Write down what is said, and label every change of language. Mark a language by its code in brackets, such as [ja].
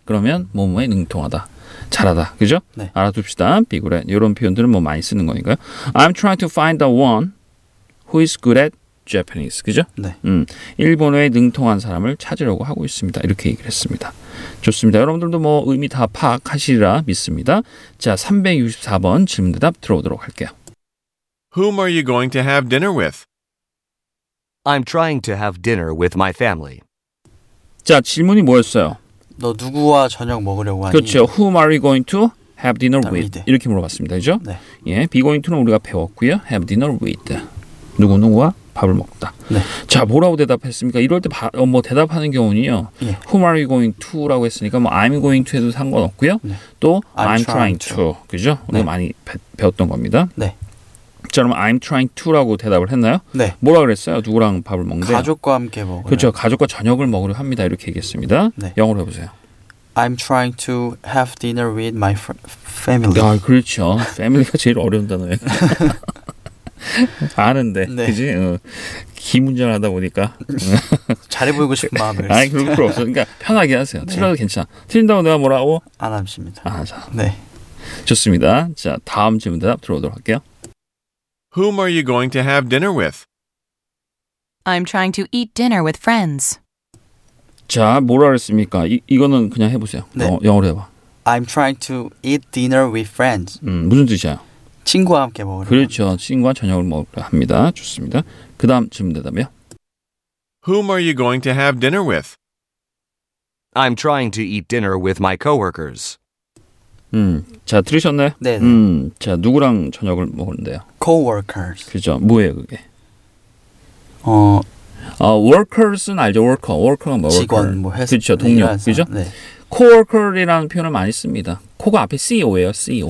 [ko] 그러면 뭐뭐에 능통하다. 잘하다. 그렇죠? 네. 알아둡시다. [en] Be good at. [ko] 이런 표현들은 뭐 많이 쓰는 거니까요. [en] I'm trying to find the one who is good at Japanese. [ko] 그렇죠? 네. 일본어에 능통한 사람을 찾으려고 하고 있습니다. 이렇게 얘기를 했습니다. 좋습니다. 여러분들도 뭐 의미 다 파악하시리라 믿습니다. 자, 364번 질문 대답 들어보도록 할게요. [en] Whom are you going to have dinner with? I'm trying to have dinner with my family. [ko] 자, 질문이 뭐였어요? 너 누구와 저녁 먹으려고 하니? 그렇죠. [en] Whom are you going to have dinner with? [ko] 이렇게 물어봤습니다. 그렇죠? 네. 예, be going to는 우리가 배웠고요. [en] Have dinner with. [ko] 누구누구와 밥을 먹다. 네. 자, 뭐라고 대답했습니까? 이럴 때 뭐 대답하는 경우는요. 예. [en] Whom are you going to [ko] 라고 했으니까 뭐 [en] I'm going to [ko] 해도 상관없고요. 네. 또 [en] I'm trying to. [ko] 그렇죠? 우리가 네. 많이 배웠던 겁니다. 네. 자, 그럼 [en] I'm trying to [ko] 라고 대답을 했나요? 네. 뭐라 그랬어요? 누구랑 밥을 먹는데? 가족과 함께 먹으려. 그렇죠. 가족과 저녁을 먹으려 합니다. 이렇게 얘기했습니다. 네. 영어로 해보세요. [en] I'm trying to have dinner with my family. [ko] 아, 그렇죠. Family가 제일 어려운 단어예요. 아는데. 네. 그치? 기문전하다 보니까. 잘해 보이고 싶은 마음이 있어요. 아니, 그럴 필요 없어. 그러니까 편하게 하세요. 네. 틀려도 괜찮아. 틀린다고 내가 뭐라고? 안 하십니다. 아, 자. 네. 좋습니다. 자, 다음 질문 대답 들어오도록 할게요. [en] Whom are you going to have dinner with? I'm trying to eat dinner with friends. [ko] 자, 뭐라 그랬습니까? 이거는 그냥 해보세요. 네. 영어로 해봐. [en] I'm trying to eat dinner with friends. [ko] 무슨 뜻이야? 친구와 함께 먹으려고. 그렇죠. 친구와 저녁을 먹으려 합니다. 좋습니다. 그 다음 질문 대답이요. [en] Whom are you going to have dinner with? I'm trying to eat dinner with my coworkers. [ko] 자, 들으셨나요? 네. 자, 누구랑 저녁을 먹는데요? [en] Co-workers. [ko] 그죠. 뭐예요, 그게? Workers는 알죠. Worker가 뭐 직원, 뭐 회사. 그렇죠. 동료. 회사. 그죠? 네. Co-worker이라는 표현을 많이 씁니다. Co가 앞에 CEO예요. CEO.